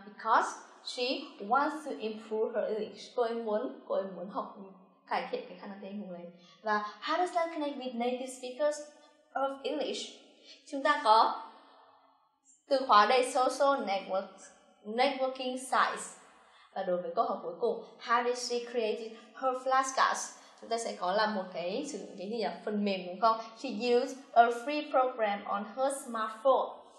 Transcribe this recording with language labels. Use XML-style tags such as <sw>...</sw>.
<en>Because she wants to improve her English.</en> <vi>Cô ấy muốn học cải thiện cái khả năng tiếng Anh của mình.</vi> <en>Và how does that connect with native speakers of English?</en> <vi>Chúng ta có từ khóa đây social networking sites. Và đối với câu hỏi cuối cùng, how did she create her flashcards? Chúng ta sẽ có là một cái sử dụng cái gì nhỉ? Phần mềm đúng không? She used a free program on her smartphone.</vi>